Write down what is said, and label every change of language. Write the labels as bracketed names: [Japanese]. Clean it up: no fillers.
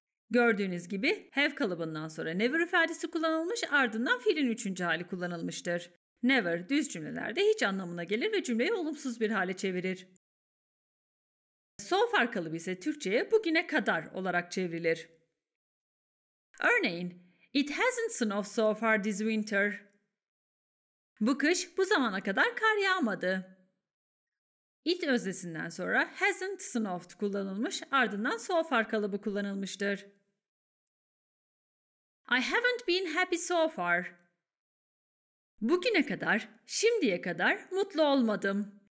[Turkish] Gördüğünüz gibi have kalıbından sonra never ifadesi kullanılmış, ardından fiilin üçüncü hali kullanılmıştır. Never düz cümlelerde hiç anlamına gelir ve cümleyi olumsuz bir hale çevirir. So far kalıbı ise Türkçe'ye bugüne kadar olarak çevrilir. [English] Örneğin, It hasn't snowed so far this winter. [Turkish] Bu kış bu zamana kadar kar yağmadı. It öznesinden sonra hasn't snowed kullanılmış, ardından so far kalıbı kullanılmıştır. [English] I haven't been happy so far. Bugüne kadar, şimdiye kadar mutlu olmadım.